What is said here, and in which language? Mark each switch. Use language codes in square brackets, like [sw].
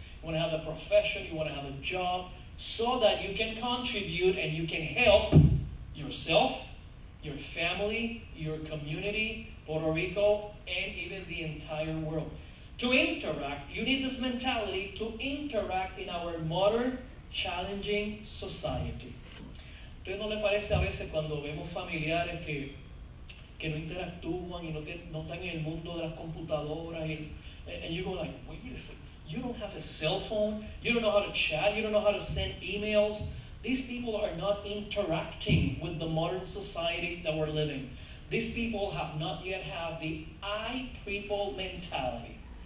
[en] You want to have a profession, you want to have a job, so that you can contribute and you can help yourself, your family, your community, Puerto Rico, and even the entire world. To interact, you need this mentality to interact in our modern, challenging society. [es] ¿Ustedes no les parece a veces cuando vemos familiares que no interactúan y no están en el mundo de las computadoras? [en] And you go like, wait a second, you don't have a cell phone, you don't know how to chat, you don't know how to send emails. These people are not interacting with the modern society that we're living. These people have not yet had the iPREOPLE mentality.